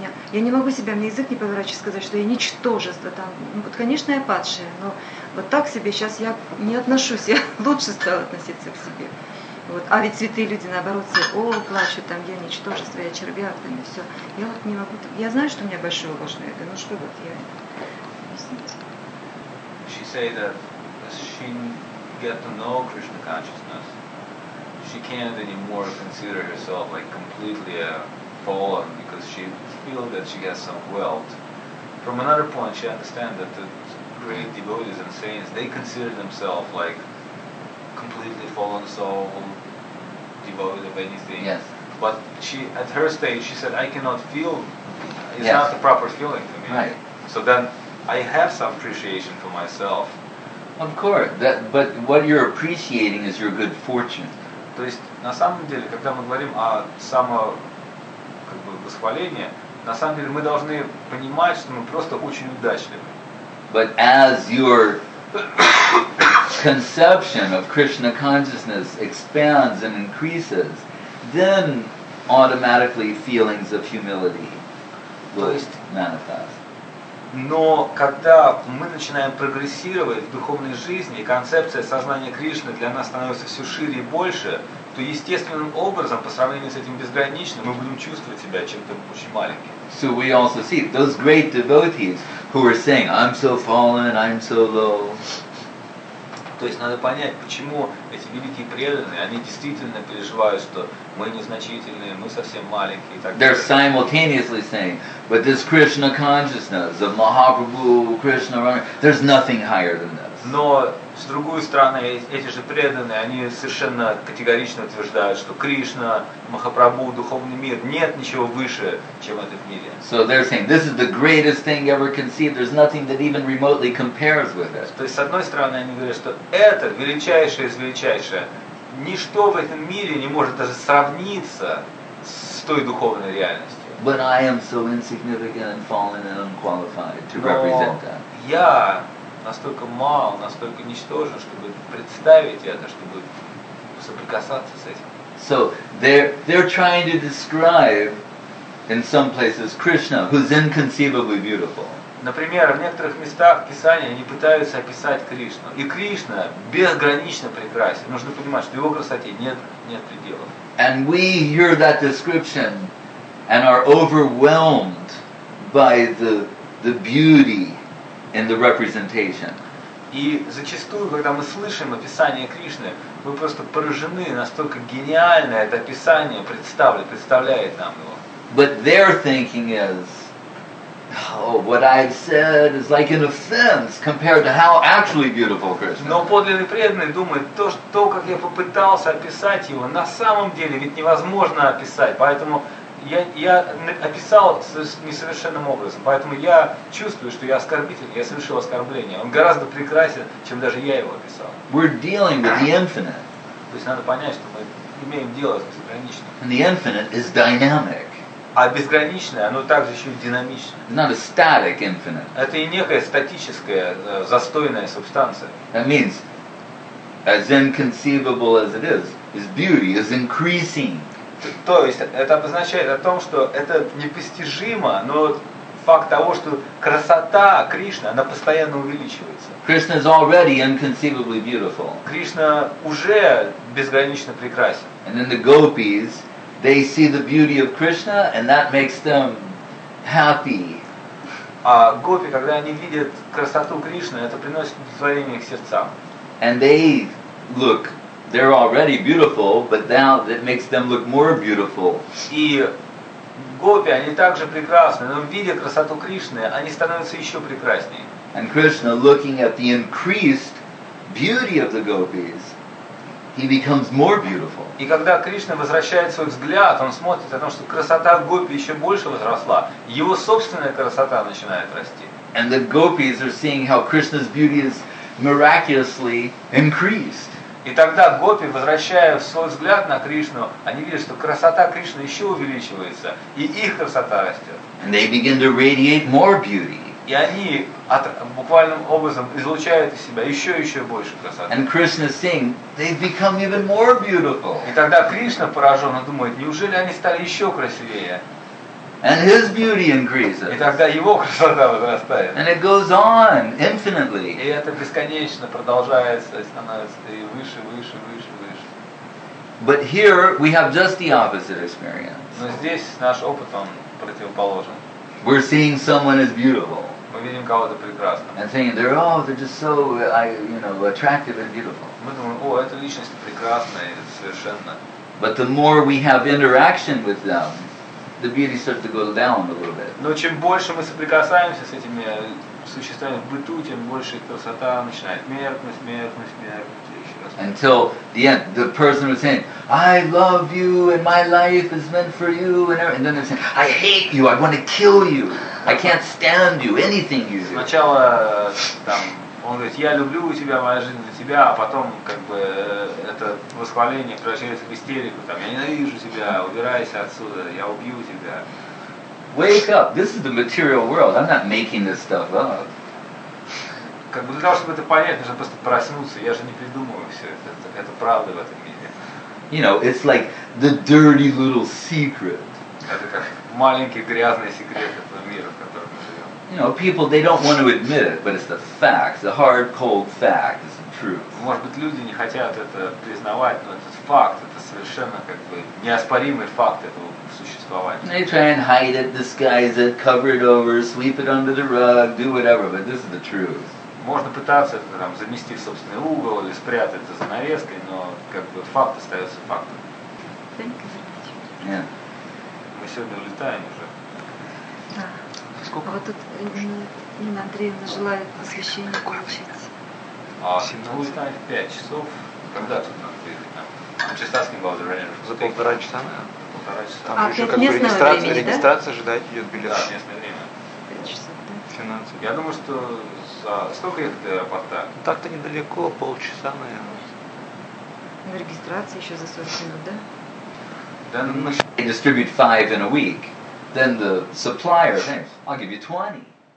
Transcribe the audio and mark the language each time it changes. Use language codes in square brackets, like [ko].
[ru] Я не могу себя, мне язык не поворачивает сказать, что я ничтожество там. Ну вот, конечно, я падшая, но вот так к себе сейчас я не отношусь, я лучше стала относиться к себе. Вот. А ведь святые люди, наоборот, все, о, плачут там, я ничтожество, я червяк, там, и все. Я вот не могу, я знаю, что у меня большое ложное эго, ну что вот, я... [en] She said that she get to know Krishna consciousness, she can't anymore consider herself like completely fallen because she feels that she gets some wealth. From another point, she understands that the great devotees and saints, they consider themselves like completely fallen soul, devoid of anything. Yes. But she, at her stage, she said, I cannot feel, it's yes. not the proper feeling for me. Right. So then, I have some appreciation for myself. Of course, that, but what you're appreciating is your good fortune. [ru] То есть, на самом деле, когда мы говорим о само, как бы, восхвалении, на самом деле мы должны понимать, что мы просто очень удачливы. [en] But as your conception of Krishna consciousness expands and increases, then automatically feelings of humility will manifest. [ru] Но когда мы начинаем прогрессировать в духовной жизни, и концепция сознания Кришны для нас становится все шире и больше, то естественным образом, по сравнению с этим безграничным, мы будем чувствовать себя чем-то очень маленьким. [en] So we also see those great devotees who are saying, I'm so fallen, I'm so low. [ru] То есть надо понять, почему эти великие преданные, они действительно переживают, что мы незначительные, мы совсем маленькие и так далее. [en] They're simultaneously saying, but this Krishna consciousness of Mahaprabhu, Krishna, there's nothing higher than this. [ru] Но с другой стороны, эти же преданные, они совершенно категорично утверждают, что Кришна, Махапрабху, духовный мир, нет ничего выше, чем это в мире. [en] So they're saying, this is the greatest thing ever conceived, there's nothing that even remotely compares with it. [ru] То есть, с одной стороны, они говорят, что это величайшее из величайшего, ничто в этом мире не может даже сравниться с той духовной реальностью. [en] But I am so insignificant and fallen and unqualified to represent that. [ru] Но я... настолько мал, настолько ничтожен, чтобы представить это, чтобы соприкасаться с этим. [en] So they're trying to describe in some places Krishna, who's inconceivably beautiful. [ru] Например, в некоторых местах Писания они пытаются описать Кришну. И Кришна безгранично прекрасен. Нужно понимать, что его красоте нет пределов. [en] And we hear that description and are overwhelmed by the beauty in the representation. [ru] И зачастую, когда мы слышим описание Кришны, мы просто поражены, насколько гениально это описание представляет нам его. [en] But their thinking is, oh, what I've said is like an offense compared to how actually beautiful Krishna. [ru] Но подлинный преданный думает, то, как я попытался описать его, на самом деле ведь невозможно описать, поэтому я описал несовершенным образом, поэтому я чувствую, что я оскорбитель, я совершил оскорбление. Он гораздо прекрасен, чем даже я его описал. [en] We're dealing with the infinite. [ru] То есть надо понять, что мы имеем дело с безграничным. [en] And the infinite is dynamic. [ru] А безграничное, оно также еще и динамичное. [en] Not a static infinite. [ru] Это и некая статическая, застойная субстанция. [en] That means, as inconceivable as it is beauty is increasing. [ru] То есть это обозначает о том, что это непостижимо, но факт того, что красота Кришны, она постоянно увеличивается. [en] Krishna is already inconceivably beautiful. [ru] Кришна уже безгранично прекрасен. [en] And then the gopis, they see the beauty of Krishna, and that makes them happy. [ru] А гопи, когда они видят красоту Кришны, это приносит удовлетворение их сердцам. [en] And they look, they're already beautiful, but now it makes them look more beautiful. [ru] И гопи, они также прекрасны, но видя красоту Кришны, они становятся еще прекраснее. [en] And Krishna, looking at the increased beauty of the gopis, he becomes more beautiful. [ru] И когда Кришна возвращает свой взгляд, он смотрит о том, что красота гопи еще больше возросла, его собственная красота начинает расти. [en] And the gopis are seeing how Krishna's beauty is miraculously increased. [ru] И тогда гопи, возвращая свой взгляд на Кришну, они видят, что красота Кришны еще увеличивается, и их красота растет. [en] And they begin to radiate more beauty. [ru] И они буквальным образом излучают из себя еще и еще больше красоты. [en] And Krishna is seeing, they've become even more beautiful. [ru] И тогда Кришна поражен, он думает, неужели они стали еще красивее? [en] And his beauty increases. [ru] И тогда его красота возрастает. [en] And it goes on infinitely. [ru] И это бесконечно продолжается, становится и выше, выше, выше, выше. [en] But here we have just the opposite experience. [ru] Но здесь наш опыт он противоположен. [en] We're seeing someone as beautiful. [ru] Мы видим кого-то прекрасным. [en] And thinking they're just so attractive and beautiful. [ru] Мы думаем, о, эта личность прекрасная, совершенно. [en] But the more we have interaction with them, the beauty starts to go down a little bit. [ru] Но чем больше мы соприкасаемся с этими существами в быту, тем больше красота начинает меркнуть, меркнуть, меркнуть. [en] Until the end, the person was saying, "I love you, and my life is meant for you," and then they're saying, "I hate you. I want to kill you. I can't stand you. Anything you do." [ru] Сначала там он говорит, "Я люблю тебя, моя жизнь для тебя," а потом как бы это восхваление превращается в истерику. Там я ненавижу тебя, убирайся отсюда, я убью тебя. [en] Wake up! This is the material world. I'm not making this stuff up. [ru] Как бы для того, чтобы это понять, нужно просто проснуться. Я же не придумываю все это. Это правда в этом мире. [en] You know, it's like the dirty little secret. [ru] Это как маленький грязный секрет этого мира, в котором мы живем. [en] You know, people, they don't want to admit it, but it's the fact, the hard, cold fact, it's the truth. [ru] Может быть, люди не хотят это признавать, но этот факт, это совершенно как бы неоспоримый факт этого существования. [en] They try and hide it, disguise it, cover it over, sweep it under the rug, do whatever, but this is the truth. [ru] Можно пытаться это там замести в собственный угол или спрятать за занавеской, но как бы факт остается фактом. [en] Yeah. [ru] Мы сегодня улетаем уже. Да. Сколько? А вот тут Нина Андреевна желает посвящение получить. Ну, улетаем в 5 часов. Когда тут надо приехать? [en] I'm just asking about the range. [ru] За полтора часа, наверное. Полтора часа. Там еще как бы регистрация ждать идет билет. Да, местное время. 5 часов, да. 17. Я думаю, что... Сколько ехать до аэропорта? Так-то недалеко, полчаса, наверное. На регистрации еще за 40 минут, да? [en] Then they distribute 5 in a week. Then the supplier thinks, I'll give you 20.